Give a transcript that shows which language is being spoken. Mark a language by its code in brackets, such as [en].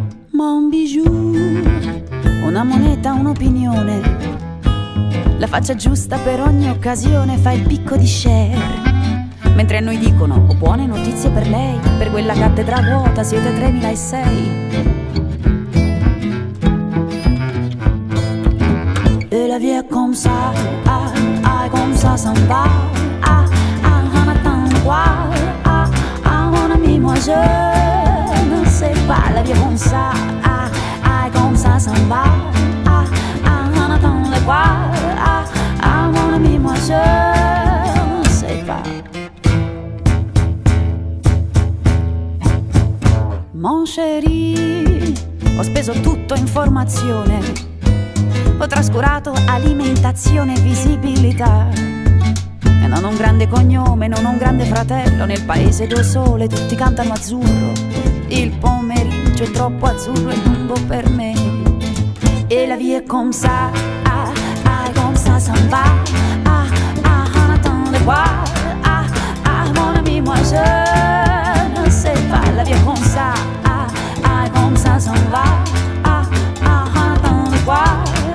[it] Ma un bijou, una moneta, un'opinione, la faccia giusta per ogni occasione, fa il picco di share. Mentre a noi dicono, ho buone notizie per lei, per quella cattedra vuota siete 3006. [fr] E la vie comme ça, ah, ah, comme ça s'en va, ah, ah, on attend quoi, ah, ah, mon ami, moi je ne sais pas. La vie comme ça, ah, ah, comme ça s'en va, ah, ah, on attend quoi, ah, ah, mon ami, moi je ne sais pas. Mon chéri, [it] ho speso tutto in formazione, ho trascurato alimentazione e visibilità. E non ho un grande cognome, non ho un grande fratello, nel paese del sole tutti cantano azzurro. Il pomeriggio è troppo azzurro e lungo per me. [fr] E la vie comme ça, ah, ah, comme ça s'en va, ah, ah, on attend le bois, ah, ah, mon ami, moi je ne sais pas. La vie comme ça, ah, ah, comme ça s'en va, ah, ah, on attend le bois.